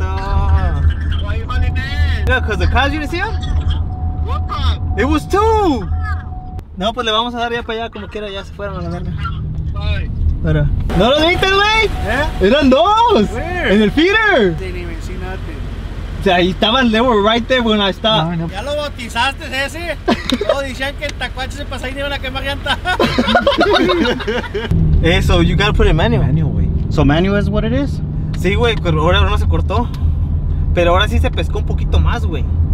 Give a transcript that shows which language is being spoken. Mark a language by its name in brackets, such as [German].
[English] Yeah, because the cars, you didn't see them? What cars? It was two! [Spanish] No, pues le vamos a dar ya para allá como quiera, ya se fueron a la verga. Pero, ¿no lo viste, güey? [English] Yeah. [Spanish] Eran dos. [English] Where? [Spanish] En el feeder. [English] Didn't even see nothing. [Spanish] O sea, ahí estaban, [English] they were right there when I stopped. [Spanish] No, no. Ya lo bautizaste ese. No, dicen que el tacuache se pasa ahí y iban a quemar llanta. [English] Hey, so you gotta put it manual. [Spanish] Manual, güey. [English] So manual is what it is? [Spanish] Sí, güey, pero ahora no se cortó. Pero ahora sí se pescó un poquito más, güey.